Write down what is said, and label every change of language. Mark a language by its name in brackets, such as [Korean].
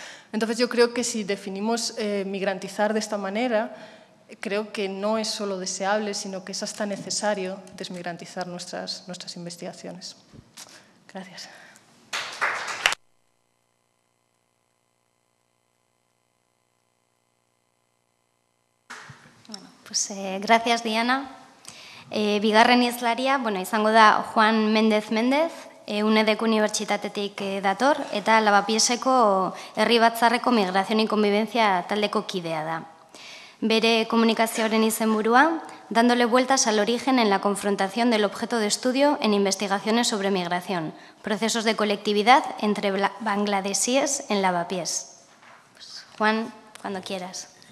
[Spanish] Entonces, yo creo que si definimos migrantizar de esta manera, creo que no es solo deseable, sino que es hasta necesario desmigrantizar nuestras investigaciones. Gracias. Bueno, pues gracias, Diana. [Basque] Bigarren izlaria, bueno, izango da Juan Méndez Méndez, UNEDeko unibertsitatetik dator, eta Lavapieseko Herri Batzarreko Migración y Convivencia taldeko kidea da. Bere komunikazioaren izenburua, [Spanish] dándole vueltas al origen en la confrontación del objeto de estudio en investigaciones sobre migración, procesos de colectividad entre bangladesíes en Lavapiés. Pues, Juan, cuando quieras.